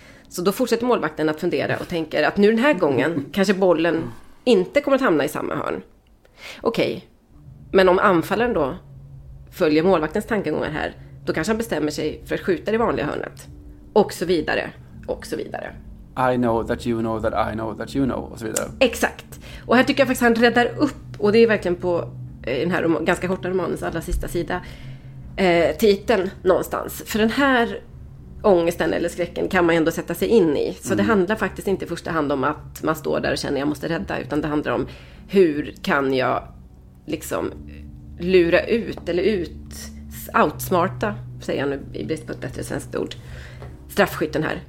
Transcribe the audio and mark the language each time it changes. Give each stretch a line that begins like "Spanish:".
Swedish: Så då fortsätter målvakten att fundera och tänker att nu den här gången kanske bollen inte kommer att hamna i samma hörn. Okej, men om anfallaren då följer målvaktens tankegångar här, då kanske han bestämmer sig för att skjuta det vanliga hörnet. Och så vidare, och så vidare.
English: I know that you know that I know that you know,
Swedish: och så vidare. Exakt. Och här tycker jag faktiskt att han räddar upp, och det är verkligen på den här ganska korta romanens allra sista sida, titeln någonstans. För den här ångesten eller skräcken kan man ändå sätta sig in i. Så det handlar faktiskt inte i första hand om att man står där och känner att jag måste rädda, utan det handlar om hur kan jag liksom lura ut eller outsmarta, säger jag nu i brist på ett bättre svenskt ord, straffskytten här.